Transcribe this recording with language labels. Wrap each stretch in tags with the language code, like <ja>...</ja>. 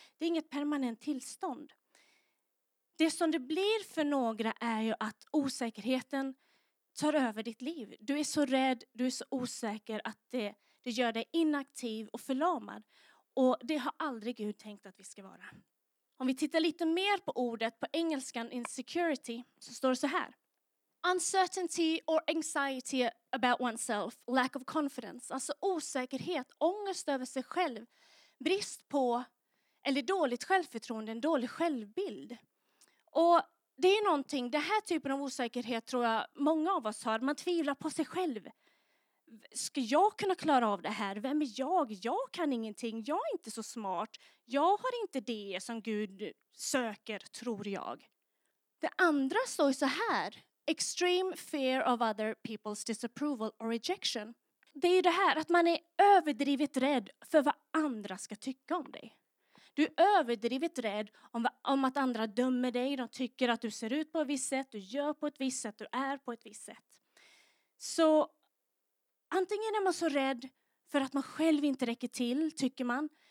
<sv>Det är inget permanent tillstånd. Det som det blir för några är ju att osäkerheten tar över ditt liv. Du är så rädd, du är så osäker att det gör dig inaktiv och förlamad. Och det har aldrig Gud tänkt att vi ska vara. Om vi tittar lite mer på ordet på engelskan insecurity så står det så här.</sv> <en>Uncertainty or anxiety about oneself, lack of confidence.</en> <sv>Alltså osäkerhet, ångest över sig själv, brist på eller dåligt självförtroende, en dålig självbild. Och det är någonting, den här typen av osäkerhet tror jag många av oss har. Man tvivlar på sig själv. Ska jag kunna klara av det här? Vem är jag? Jag kan ingenting. Jag är inte så smart. Jag har inte det som Gud söker, tror jag. Det andra står så här.</sv> <en>extreme fear of other people's disapproval or rejection.</en> <sv>Det är det här att man är överdrivet rädd för vad andra ska tycka om dig. Du är överdrivet rädd om att andra dömer dig. De tycker att du ser ut på ett visst sätt, du gör på ett visst sätt, du är på ett visst sätt. Så antingen är man så rädd för att man själv inte räcker till, tycker man.</sv>